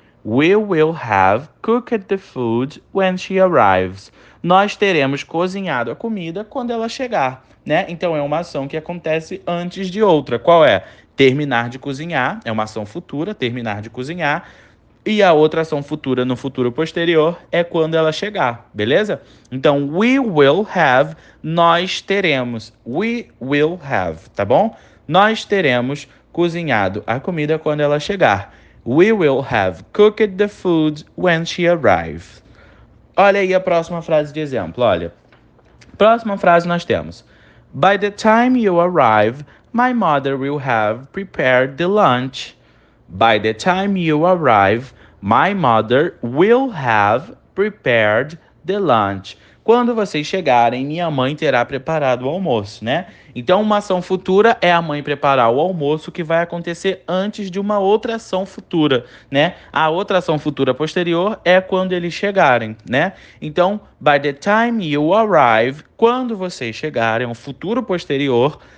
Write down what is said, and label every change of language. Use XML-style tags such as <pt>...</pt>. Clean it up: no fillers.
<en>We will have cooked the food when she arrives.</en> <pt>Nós teremos cozinhado a comida quando ela chegar, né? Então é uma ação que acontece antes de outra. Qual é? Terminar de cozinhar, é uma ação futura, terminar de cozinhar. E a outra ação futura no futuro posterior é quando ela chegar, beleza? Então,</pt> <en>we will have,</en> <pt>nós teremos.</pt> <en>We will have,</en> <pt>tá bom? Nós teremos cozinhado a comida quando ela chegar.</pt> <en>We will have cooked the food when she arrives.</en> <pt>Olha aí a próxima frase de exemplo, olha. Próxima frase nós temos.</pt> <en>By the time you arrive, my mother will have prepared the lunch. By the time you arrive, my mother will have prepared the lunch.</en> <pt>Quando vocês chegarem, minha mãe terá preparado o almoço, né? Então, uma ação futura é a mãe preparar o almoço, que vai acontecer antes de uma outra ação futura, né? A outra ação futura posterior é quando eles chegarem, né? Então,</pt> <en>by the time you arrive,</en> <pt>quando vocês chegarem, um futuro posterior.</pt>